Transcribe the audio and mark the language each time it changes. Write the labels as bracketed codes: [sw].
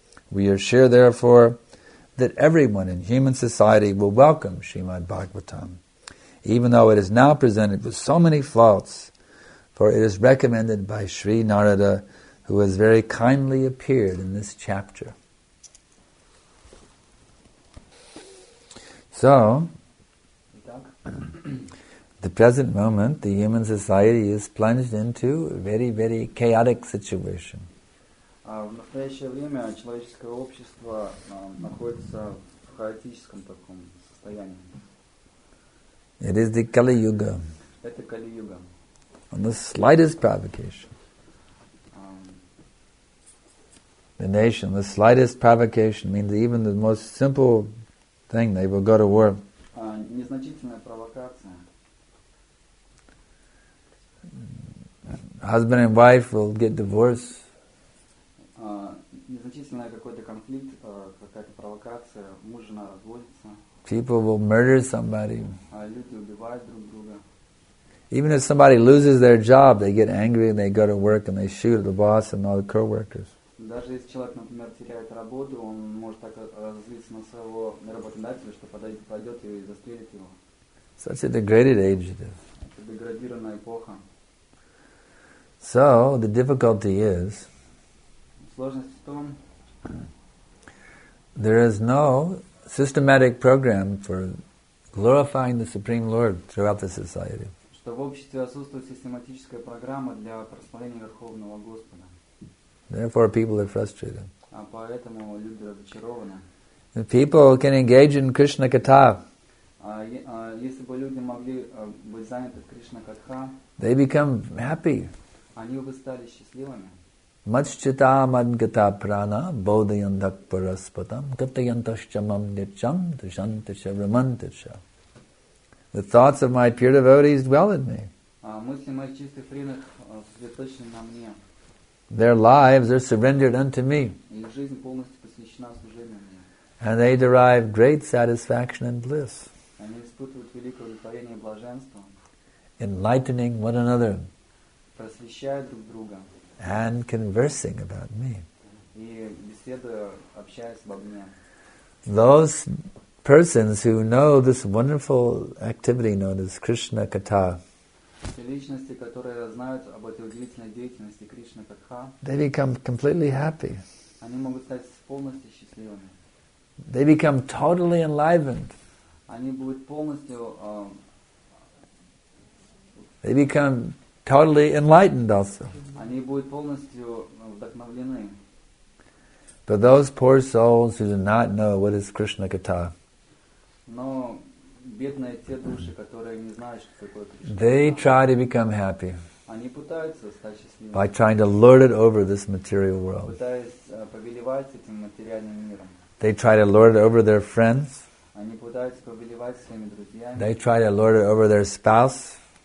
[en] We are sure, therefore, that everyone in human society will welcome Srimad Bhagavatam, even though it is now presented with so many faults, for it is recommended by Sri Narada, who has very kindly appeared in this chapter. So, at the present moment, the human society is plunged into a very, very chaotic situation. [ru] в настоящее время человеческое общество находится в хаотическом таком состоянии. [en] It is the Kali Yuga. [ru] Это Kali Yuga. [en] On the slightest provocation. The nation, the slightest provocation means even the most simple thing, they will go to war. [ru] Незначительная провокация. [en] Husband and wife will get divorced. [ru] Незначительный какой-то конфликт, какая-то провокация, муж и жена разводится. [en] People will murder somebody. [ru] Люди убивают друг друга. [en] Even if somebody loses their job, they get angry and they go to work and they shoot at the boss and all the co-workers. [ru] Даже если человек, например, теряет работу, он может так разозлиться на своего работодателя, что пойдет и застрелит его. [en] Such a degraded age it is. [ru] Это деградированная эпоха. [en] So, the difficulty is, [ru] сложность в том, [en] there is no systematic program for glorifying the Supreme Lord throughout the society. [ru] Что в обществе отсутствует систематическая программа для прославления Верховного Господа. [en] Therefore, people are frustrated. [ru] А поэтому люди разочарованы. [en] If people can engage in Krishna Katha, [ru] если бы люди могли быть заняты в Кришна Катха, [en] they become happy. [ru] Они бы стали счастливыми. [sa] Маччита мадгата прана бодхиандак параспатам катаянташчамам нитчам тишантиша романтиша. [en] The thoughts of my pure devotees dwell in me. [ru] Мысли моих чистых преданных сосредоточены на мне. [en] Their lives are surrendered unto me. [ru] Их жизнь полностью посвящена служению мне. [en] And they derive great satisfaction and bliss. [ru] Они испытывают великое удовлетворение и блаженство. [en] Enlightening one another. [ru] Просвещая друг друга. [en] And conversing about me. [ru] И беседуя, общаясь обо мне. [en] Those persons who know this wonderful activity known as Krishna Katha. [ru] Те личности, которые знают об этой удивительной деятельности Кришна Катха. [en] They become completely happy. [ru] Они могут стать полностью счастливыми. [en] They become totally enlivened. [ru] Они будут полностью. [en] They become totally enlightened also. [ru] Они будут полностью вдохновлены. [en] But those poor souls who do not know what is Krishna Katha. [ru] Но бедные те души, которые не знают, что такое Кришна Катха. [en] They try to become happy. [ru] Они пытаются стать счастливыми. [en] By trying to lord it over this material world. [ru] Пытаясь повелевать этим материальным миром. [en] They try to lord it over their friends. [ru] Они пытаются повелевать своими друзьями. [en] They try to lord it over their spouse.